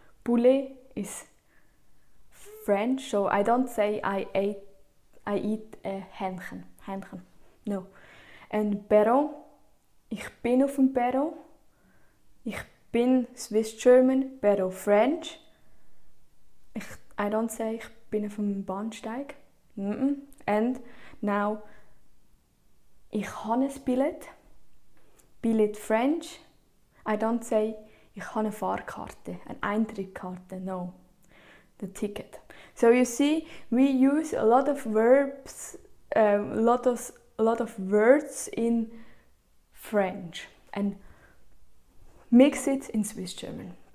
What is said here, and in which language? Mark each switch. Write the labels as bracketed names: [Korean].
[English] Poulet is French, so I don't say I eat a Hähnchen. No. [German] And Perron, ich bin auf dem Perron. Ich bin [English] Swiss German, [German] Perron French. [English] I don't say [German] ich bin auf dem Bahnsteig. Mm-mm. [English] And now, [German] ich habe ein Billet. Billet French. [English] I don't say [German] ich habe eine Fahrkarte, eine Eintrittskarte. [English] No. The ticket. So you see, we use a lot of verbs, a lot of words in French and mix it in Swiss German.